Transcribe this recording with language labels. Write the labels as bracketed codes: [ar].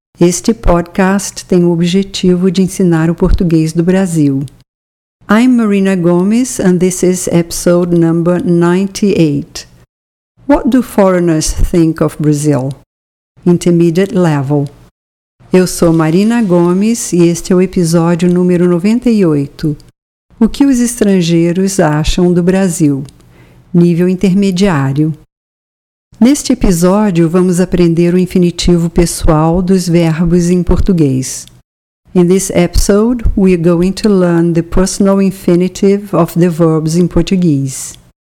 [pt] Este podcast tem o objetivo de ensinar o português do Brasil. [en] I'm Marina Gomes, and this is episode number 98. What do foreigners think of Brazil? Intermediate level. [pt] Eu sou Marina Gomes e este é o episódio número 98. O que os estrangeiros acham do Brasil? Nível intermediário. Neste episódio, vamos aprender o infinitivo pessoal dos verbos em português. [en] In this episode, we are going to learn the personal infinitive of the verbs in Portuguese.